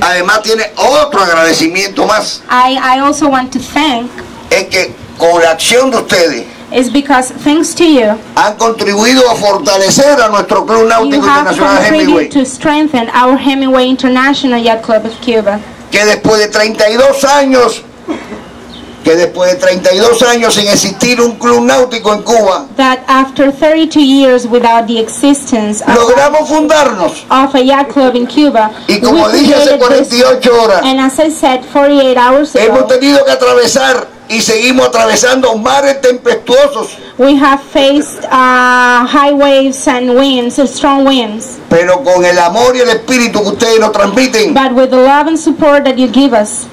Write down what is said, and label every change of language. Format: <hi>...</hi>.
<es>Además tiene otro agradecimiento más.</es> <en>I also want to thank.</en> <es>Es que con la acción de ustedes.</es> <en>Is because thanks to you.</en> <es>Han contribuido a fortalecer a nuestro club náutico internacional Hemingway.</es> <en>You have contributed to strengthen our Hemingway International Yacht Club of Cuba.</en> <es>Que después de 32 años. Que después de 32 años sin existir un club náutico en Cuba.</es> <en>That after 32 years without the existence of,</en> <es>logramos fundarnos,</es> <en>of a yacht club in Cuba.</en> <es>Y como dije hace 48 horas.</es> <en>And as I said 48 hours ago.</en> <es>Hemos tenido que atravesar y seguimos atravesando mares tempestuosos.</es> <en>We have faced high waves and winds, strong winds.</en> <es>Pero con el amor y el espíritu que ustedes nos transmiten.</es> <en>But with the love and support that you give us.</en>